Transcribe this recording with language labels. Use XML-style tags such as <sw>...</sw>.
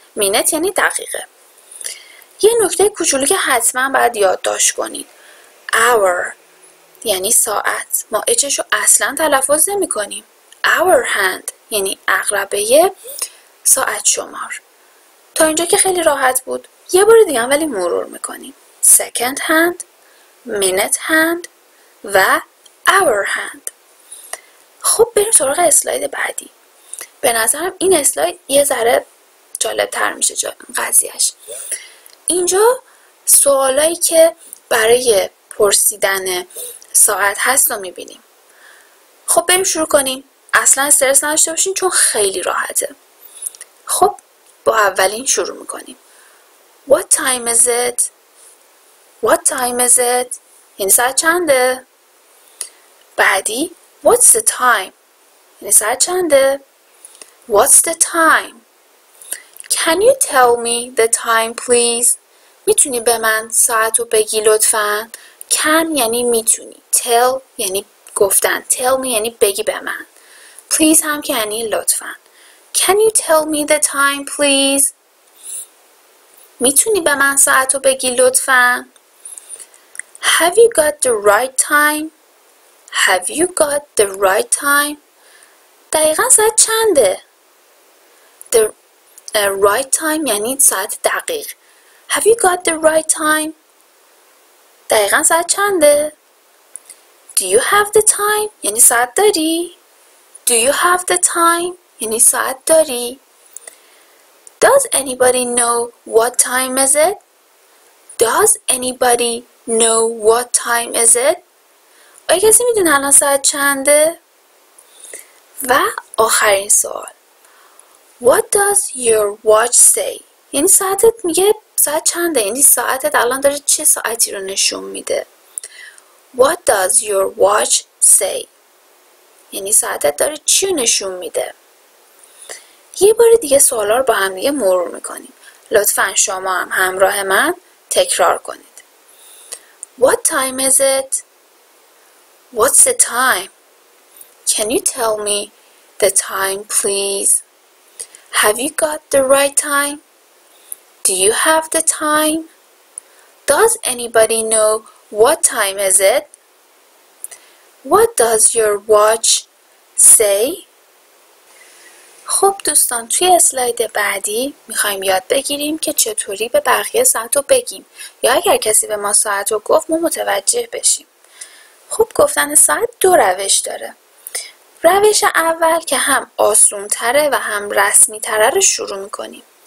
<fa>Minute یعنی دقیقه. یه نکته کوچولو که حتما باید یادداشت کنید. Hour یعنی ساعت. ما اچشو اصلا تلفظ نمی کنیم. Our hand یعنی عقربه ساعت شمار. تا اینجا که خیلی راحت بود. یه بار دیگه هم ولی مرور میکنیم.</fa> <en>Second hand, minute hand و our hand.</en> <fa>خب بریم سراغ اسلاید بعدی. به نظرم این اسلاید یه ذره جالب تر میشه قضیهش. اینجا سوالایی که برای پرسیدن ساعت هست رو میبینیم. خب بریم شروع کنیم. اصلا استرس نداشته باشین چون خیلی راحته. خب با اولین شروع میکنیم.</fa> <en>What time is it? What time is it?</en> <fa>یعنی ساعت چنده؟ بعدی</fa> <en>What's the time?</en> <fa>یعنی ساعت چنده؟</fa> <en>What's the time? Can you tell me the time please?</en> <fa>میتونی به من ساعت رو بگی لطفاً؟ Can یعنی میتونی. Tell یعنی گفتن. Tell me یعنی بگی به من. Please هم که یعنی لطفاً.</fa> <en>Can you tell me the time please?</en> <fa>میتونی به من ساعت رو بگی لطفاً؟</fa> <en>Have you got the right time? Have you got the right time?</en> <fa>دقیقاً ساعت چنده؟</fa> <en>The right time</en> <fa>یعنی ساعت دقیق.</fa> <en>Have you got the right time?</en> <fa>دقیقاً ساعت چنده؟</fa> <en>Do you have the time؟</en> <fa>یعنی ساعت داری؟</fa> <en>Do you have the time؟ یعنی ساعت داری؟ Does anybody know what time is it؟ Does anybody know what time is it؟</en> <fa>آیا کسی میدونه الان ساعت چنده؟ و آخرین سوال.</fa> <en>What does your watch say؟</en> <fa>یعنی ساعتت میگه ساعت چنده؟ یعنی ساعتت الان داره چه ساعتی رو نشون میده؟ What does your watch say؟ یعنی ساعتت داره چی رو نشون میده؟ یه بار دیگه سوالا رو با هم دیگه مرور میکنیم. لطفاً شما هم همراه من تکرار کنید.</fa> <en>What time is it؟ What's the time؟ Can you tell me the time please؟ Have you got the right time؟ Do you have the time? Does anybody know what time is it? What does your watch say?</en> <fa>خب دوستان، توی اسلاید بعدی میخوایم یاد بگیریم که چطوری به بقیه ساعت رو بگیم یا اگر کسی به ما ساعت رو گفت ما متوجه بشیم. خب گفتن ساعت دو روش داره. روش اول که هم آسون تره و هم رسمی تره رو شروع میکنیم.</fa>